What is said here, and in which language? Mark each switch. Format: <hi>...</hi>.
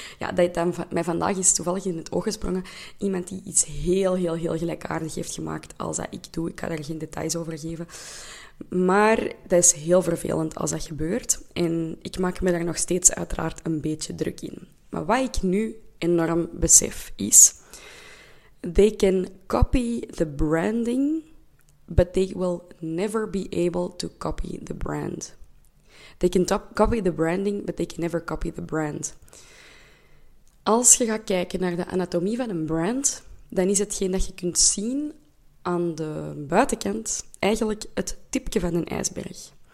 <nl>Ja, dat mij vandaag is toevallig in het oog gesprongen. Iemand die iets heel, heel, heel gelijkaardig heeft gemaakt als dat ik doe. Ik ga daar geen details over geven. Maar dat is heel vervelend als dat gebeurt. En ik maak me daar nog steeds uiteraard een beetje druk in. Maar wat ik nu enorm besef is...</nl> <en>They can copy the branding, but they will never be able to copy the brand. They can copy the branding, but they can never copy the brand.</en> <nl>Als je gaat kijken naar de anatomie van een brand, dan is hetgeen dat je kunt zien aan de buitenkant eigenlijk het tipje van een ijsberg.</nl>